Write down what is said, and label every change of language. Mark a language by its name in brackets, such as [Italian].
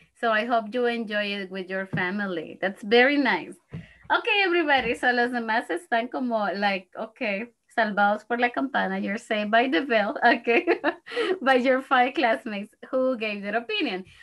[English] So I hope you enjoy it with your family. That's very nice. Okay, everybody. [Spanish] So los demás están como like, okay, salvados por la campana. [English] You're saved by the bell, okay? By your five classmates who gave their opinion.